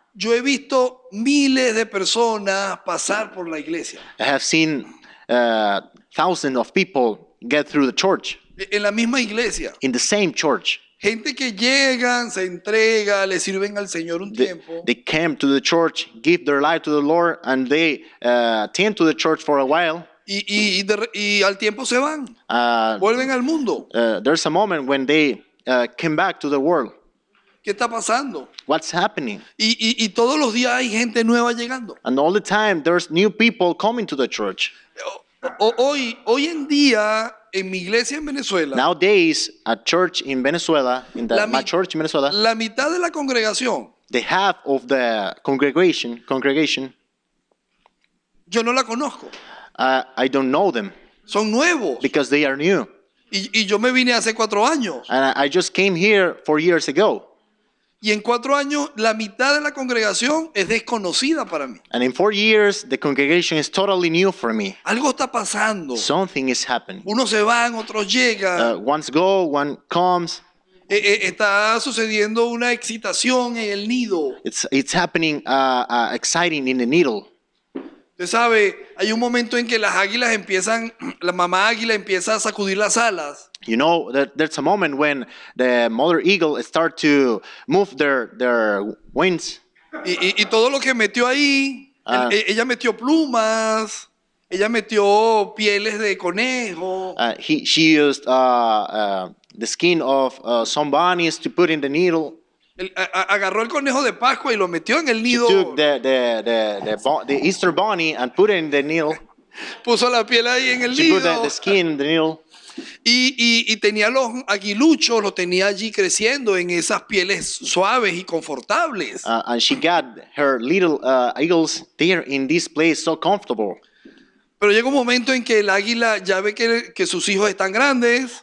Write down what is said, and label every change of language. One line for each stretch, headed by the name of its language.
Spanish: yo he visto miles de personas pasar por la iglesia.
English: I have seen thousands of people get through the church.
Spanish: En la misma iglesia.
English: In the same church.
Spanish: Gente que llegan, se entrega, le sirven al Señor un tiempo.
English: They came to the church, give their life to the Lord, and they attend to the church for a while.
Spanish: Y al tiempo se van. Vuelven al mundo.
English: There's a moment when they came back to the world.
Spanish: ¿Qué está pasando?
English: What's happening?
Spanish: Y todos los días hay gente nueva llegando.
English: And all the time there's new people coming to the church.
Spanish: Hoy en día, en mi iglesia en Venezuela,
English: nowadays, a church in Venezuela, my church in Venezuela,
Spanish: la mitad de la congregación,
English: the half of the congregation,
Spanish: yo no la conozco.
English: I don't know them.
Spanish: Son nuevos.
English: Because they are new.
Spanish: Y yo me vine hace 4 años.
English: And I just came here 4 years ago.
Spanish: Y en cuatro años, la mitad de la congregación es desconocida para mí.
English: And in 4 years, the congregation is totally new for me.
Spanish: Algo está pasando.
English: Something is happening.
Spanish: Unos se van, otros llegan.
English: Once go, one comes.
Spanish: Está sucediendo una excitación en el nido.
English: It's happening exciting in the needle.
Spanish: Usted sabe, hay un momento en que las águilas empiezan, la mamá águila empieza a sacudir las alas.
English: You know, there's a moment when the mother eagle start to move their wings.
Spanish: Y todo lo que metió ahí, ella metió plumas, ella metió pieles de conejo.
English: She used the skin of some bunnies to put in the needle.
Spanish: Agarró el conejo de Pascua y lo metió en el nido.
English: She took the Easter bunny and put it in the needle.
Spanish: Puso la piel ahí en el
English: she
Spanish: nido.
English: She put the skin in the needle.
Spanish: Y tenía los aguiluchos, lo tenía allí creciendo en esas pieles suaves y confortables.
English: And she got her little eagles there in this place so comfortable.
Spanish: Pero llega un momento en que el águila ya ve que sus hijos están grandes.